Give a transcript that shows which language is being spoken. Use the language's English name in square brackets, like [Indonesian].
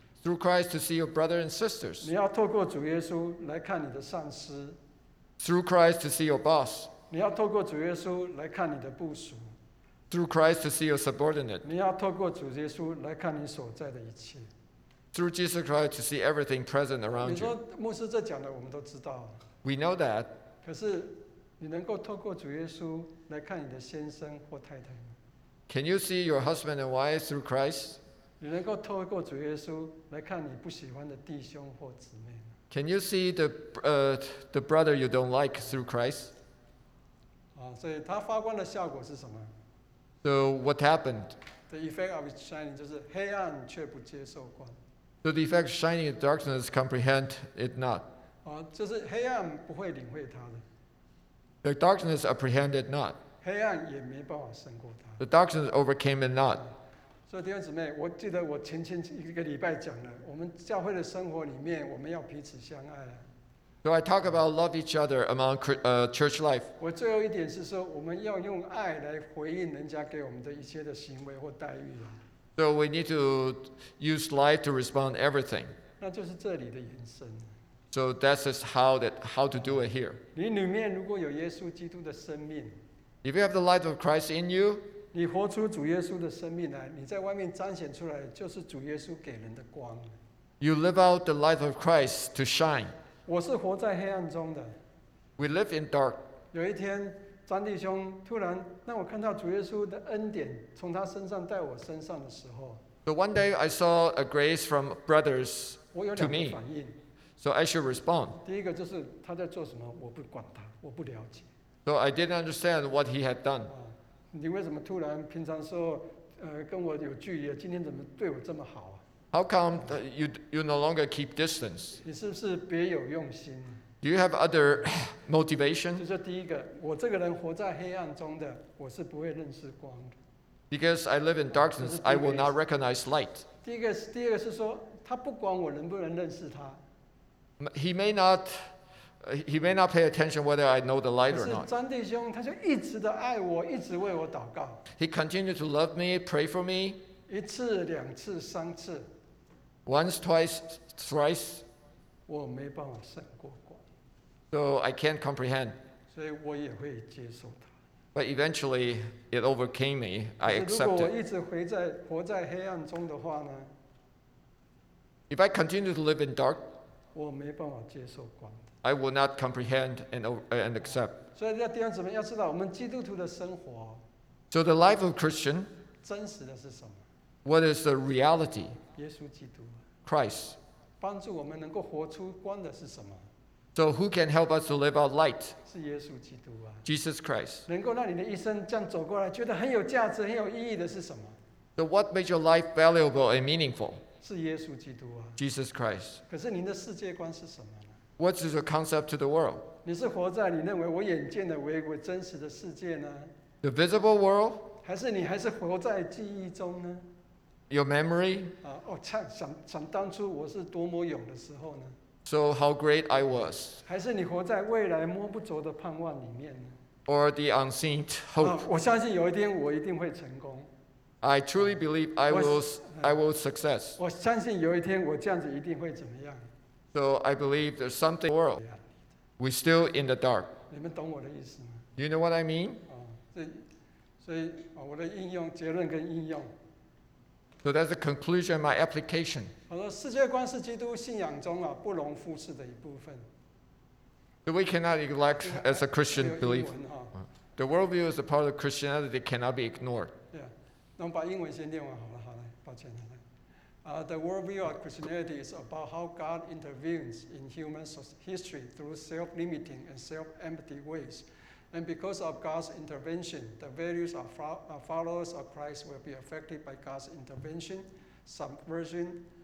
[English] Through Christ to see your brother and sisters. [Chinese] 你要透过主耶稣来看你的上司。 [English] Through Christ to see your boss. [Chinese] 你要透过主耶稣来看你的部属。 [English] Through Christ to see your subordinate. [Chinese] 你要透过主耶稣来看你所在的一切。 [English] Through Jesus Christ to see everything present around you. [Chinese] 你说牧师这讲的我们都知道。 [English] We know that. [Chinese] 可是你能够透过主耶稣来看你的先生或太太吗？ [English] Can you see your husband and wife through Christ? [Chinese] 你能够透过主耶稣来看你不喜欢的弟兄或姊妹吗？ [English] Can you see the brother you don't like through Christ? [Chinese] 所以他发光的效果是什么？ [English] So what happened? The effect of shining [Chinese] 就是黑暗却不接受光。 [English] So the effect of shining in darkness comprehend it not. [Chinese] 就是黑暗不会领会他的。 [English] The darkness apprehend it not. [Chinese] 黑暗也没办法胜过他。 [English] The darkness overcame it not. [Chinese] 所以弟兄姊妹，我记得我前一个礼拜讲了，我们教会的生活里面，我们要彼此相爱。 [English] So I talk about love each other among church life. [Chinese] 我最后一点是说，我们要用爱来回应人家给我们的一些的行为或待遇。 [English] So we need to use life to respond everything. [Chinese] 那就是这里的延伸。 [English] So that's just how to do it here. [Chinese] 你里面如果有耶稣基督的生命， [English] if you have the light of Christ in you, [Chinese] 你活出主耶稣的生命来，你在外面彰显出来就是主耶稣给人的光。 [English] You live out the light of Christ to shine. [Chinese] 我是活在黑暗中的。 [English] We live in dark. [Chinese] 有一天张弟兄突然让我看到主耶稣的恩典从他身上带我身上的时候， [English] So one day I saw a grace from brothers to me. [Chinese] 我有两个反应。 [English] So I should respond. [Chinese] 第一个就是他在做什么，我不管他，我不了解。 [English] So I didn't understand what he had done. [Chinese] 你为什么突然平常时候跟我有距离，今天怎么对我这么好啊？ [English] How come you no longer keep distance? [Chinese] 你是不是别有用心？ [English] Do you have other motivation? [Chinese] 就是第一个，我这个人活在黑暗中的，我是不会认识光的。 [English] Because I live in darkness, I will not recognize light. [Chinese] 第二个是说，他不管我能不能认识他。 [English] He may not pay attention whether I know the light or not. [Chinese] 是张弟兄，他就一直的爱我，一直为我祷告。 [English] He continued to love me, pray for me. [Chinese] 一次、两次、三次。 [English] Once, twice, thrice. [Chinese] 我没办法胜过。 [English] So I can't comprehend. [Chinese] 所以我也会接受他。 [English] But eventually it overcame me. I accepted. [Chinese] 如果我一直活在黑暗中的话呢？ [English] If I continue to live in dark, [Chinese] 我没办法接受光。 [English] I will not comprehend and accept. [Chinese] 所以弟兄姊妹要知道，我们基督徒的生活。 [English] So the life of Christian. [Chinese] 真实的是什么？ [English] What is the reality? [Chinese] 耶稣基督。 [English] Christ. [Chinese] 帮助我们能够活出光的是什么？ [English] So who can help us to live out light? [Chinese] 是耶稣基督啊。 [English] Jesus Christ. [Chinese] 能够让你的一生这样走过来，觉得很有价值、很有意义的是什么？ [English] So what makes your life valuable and meaningful? [Chinese] 是耶稣基督啊。 [English] Jesus Christ. [Chinese] 可是您的世界观是什么呢？ [English] What is your concept to the world? [Chinese] 你是活在你认为我眼见的为真实的世界呢？ [English] The visible world? [Chinese] 还是你还是活在记忆中呢？ [English] Your memory? [Chinese] 想当初我是多么勇的时候呢？ [English] So how great I was. [Chinese] 还是你活在未来摸不着的盼望里面呢？ [English] Or the unseen hope. [Chinese] 我相信有一天我一定会成功。 [English] I truly believe I will success. [Chinese] 我相信有一天我这样子一定会怎么样。 [English] So I believe there's something world. We're still in the dark. [Chinese] 你们懂我的意思吗？ [English] You know what I mean? [Chinese] 所以我的应用，结论跟应用。 [English] So that's the conclusion of my application. [Chinese] 我说世界观是基督信仰中啊不容忽视的一部分。 [English] So we cannot neglect as a Christian belief. The worldview is a part of Christianity that cannot be ignored. Yeah. [Chinese] 那我把英文先念完好了，好嘞，抱歉了。 [English] The worldview of Christianity is about how God intervenes in human history through self-limiting and self-empty ways. And because of God's intervention, the values of followers of Christ will be affected by God's intervention, subversion.